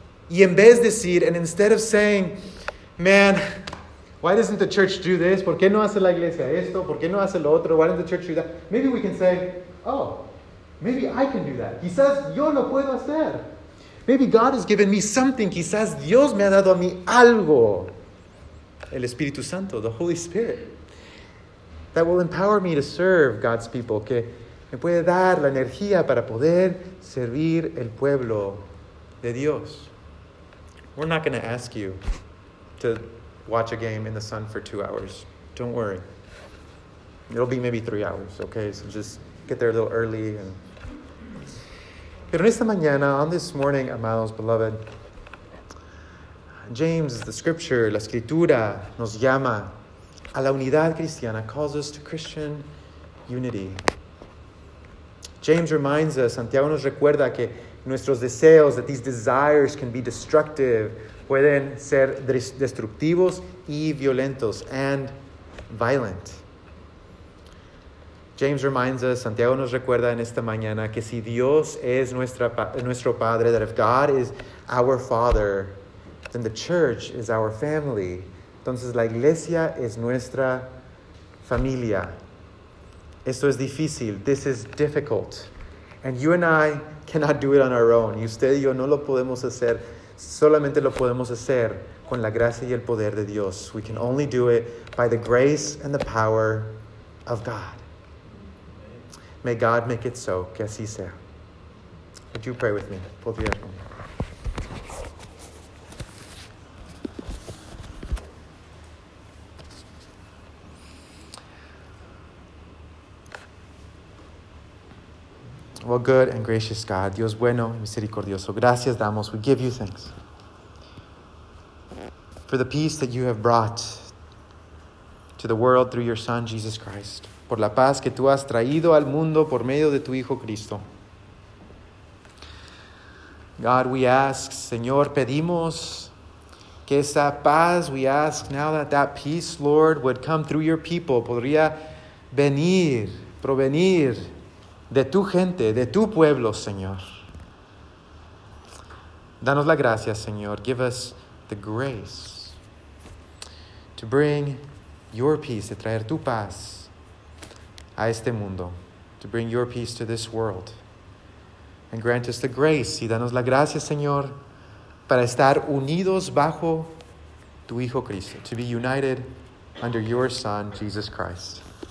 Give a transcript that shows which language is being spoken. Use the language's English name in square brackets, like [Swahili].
[Spanish] Y en vez de decir, [English] and instead of saying, man, why doesn't the church do this? [Spanish] ¿Por qué no hace la iglesia esto? ¿Por qué no hace lo otro? [English] Why doesn't the church do that? Maybe we can say, oh, maybe I can do that. [Spanish] Quizás yo lo puedo hacer. [English] Maybe God has given me something. [Spanish] Quizás Dios me ha dado a mí algo. [English] El Espíritu Santo, the Holy Spirit, that will empower me to serve God's people. [Spanish] Que me puede dar la energía para poder servir el pueblo de Dios. [English] We're not going to ask you to watch a game in the sun for 2 hours. Don't worry. It'll be maybe 3 hours, okay? So just get there a little early. [Spanish] Pero en esta mañana, [English] on this morning, [Spanish] amados, [English] beloved, James, the scripture, [Spanish] la escritura, nos llama a la unidad cristiana, [English] calls us to Christian unity. James reminds us, [Spanish] Santiago nos recuerda que nuestros deseos, [English] that these desires can be destructive, [Spanish] pueden ser destructivos y violentos, [English] and violent. James reminds us, [Spanish] Santiago nos recuerda en esta mañana, que si Dios es nuestro Padre, [English] that if God is our Father, then the church is our family. [Spanish] Entonces la iglesia es nuestra familia. Esto es difícil. [English] This is difficult. And you and I cannot do it on our own. [Spanish] Y usted y yo no lo podemos hacer. Solamente lo podemos hacer con la gracia y el poder de Dios. [English] We can only do it by the grace and the power of God. May God make it so, [Spanish] que así sea. [English] Would you pray with me? [Spanish] Podría conmigo. [English] Well, good and gracious God, [Spanish] Dios bueno y misericordioso, gracias damos, [English] we give you thanks for the peace that you have brought to the world through your Son, Jesus Christ. [Spanish] Por la paz que tú has traído al mundo por medio de tu Hijo Cristo. [English] God, we ask, [Spanish] Señor, pedimos que esa paz, [English] we ask now that peace, Lord, would come through your people, [Spanish] podría venir, provenir de tu gente, de tu pueblo, Señor. Danos la gracia, Señor. [English] Give us the grace to bring your peace, [Spanish] de traer tu paz a este mundo. [English] To bring your peace to this world. And grant us the grace. [Spanish] Y danos la gracia, Señor, para estar unidos bajo tu Hijo Cristo. [English] To be united under your Son, Jesus Christ.